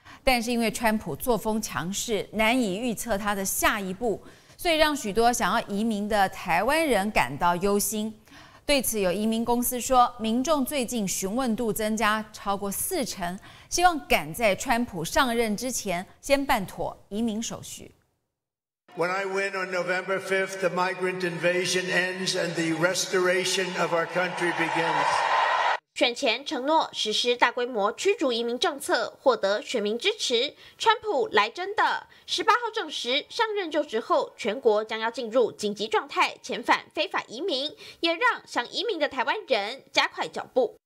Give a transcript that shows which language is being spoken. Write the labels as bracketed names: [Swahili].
[Chinese] 但是因为川普作风强势，难以预测他的下一步，所以让许多想要移民的台湾人感到忧心。对此，有移民公司说，民众最近询问度增加超过四成，希望赶在川普上任之前先办妥移民手续。 [English] When I win on November 5th, the migrant invasion ends and the restoration of our country begins. [Chinese] 选前承诺实施大规模驱逐移民政策，获得选民支持。川普来真的，18号证实上任就职后，全国将要进入紧急状态，遣返非法移民，也让想移民的台湾人加快脚步。